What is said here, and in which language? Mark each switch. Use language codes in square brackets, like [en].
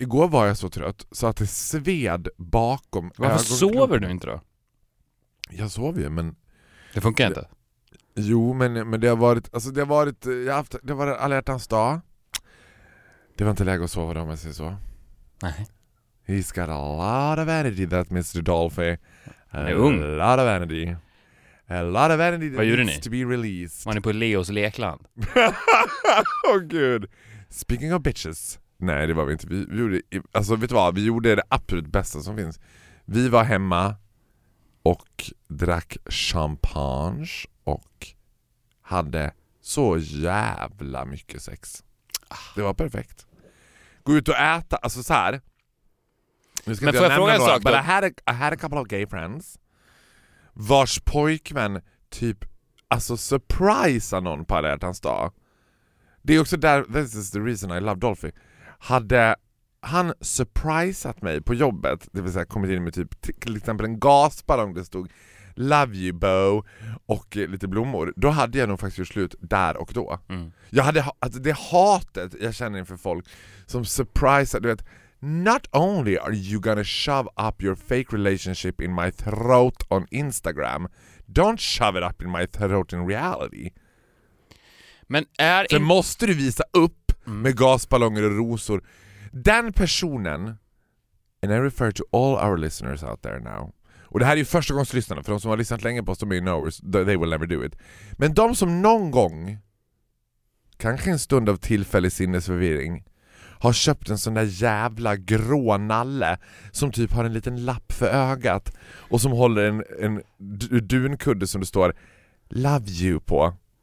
[sv] Igår var jag så trött så att det sved bakom. Varför sover du inte då? Jag sover ju, men... Det funkar inte. Jo, men det har varit... Alltså det har varit... Det har varit Alla hjärtans dag. Det var inte läge att sova då, om jag säger så. Nej. [en] He's got a lot of energy, that Mr. Dolphy. [sv] Han är ung. [en] A lot of energy that needs to be released. [sv] Var ni på Leos lekland? Åh, gud. [en] Speaking of bitches. [sv] Nej, det var vi inte. Vi gjorde, alltså, vet du vad? Vi gjorde det absolut bästa som finns. Vi var hemma och drack champagne och hade så jävla mycket sex. Det var perfekt. Gå ut och äta, alltså så här. Nu ska, men får jag fråga en sak då? [en] I had a couple of gay friends [sv] vars pojkvän typ, alltså, surprisa någon på Alla hjärtans dag. Det är också där, [en] this is the reason I love Dolphy. [sv] Hade han surprisat mig på jobbet, det vill säga kommit in med typ till exempel en gasballong där det stod [en] love you bo [sv] och lite blommor, då hade jag nog faktiskt gjort slut där och då. Jag hade, alltså, det hatet jag känner inför folk som surprisar, du vet. [en] Not only are you gonna shove up your fake relationship in my throat on Instagram, don't shove it up in my throat in reality. [sv] Men är för måste du visa upp med gasballonger och rosor. Den personen, [en] and I refer to all our listeners out there now, [sv] och det här är ju första gångs lyssnarna, för de som har lyssnat länge på oss, de är ju [en] knowers, they will never do it. [sv] Men de som någon gång, kanske en stund av tillfällig sinnesförvirring, har köpt en sån där jävla grå nalle som typ har en liten lapp för ögat och som håller en dunkudde som det står [en] love you [sv] på.